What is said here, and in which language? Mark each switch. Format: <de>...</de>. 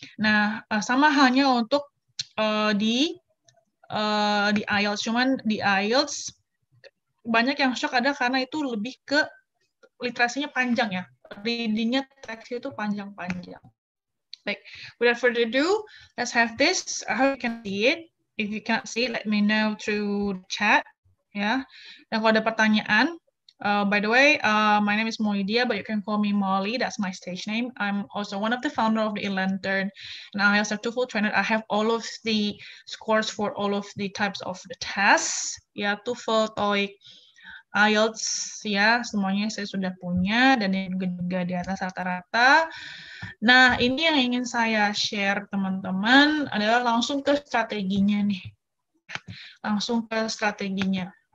<id>Nah, sama halnya untuk di IELTS, cuman di IELTS banyak yang shock ada karena itu lebih ke literasinya panjang ya, readingnya teks itu panjang-panjang. Baik,</id> <en>without further ado, let's have this. I hope you can see it. If you cannot see it, let me know through chat. Yeah.</en> <id>Dan kalau ada pertanyaan,</id> <en>by the way, my name is Molidia, but you can call me Molly. That's my stage name. I'm also one of the founder of the eLantern. And I also have two full trainer. I have all of the scores for all of the types of the tests.</en> <id>Yeah, TOEFL, TOEIC, IELTS, ya, semuanya saya sudah punya, dan juga di atas rata-rata. Nah, ini yang ingin saya share, teman-teman, adalah langsung ke strateginya, nih. Langsung ke strateginya.</id>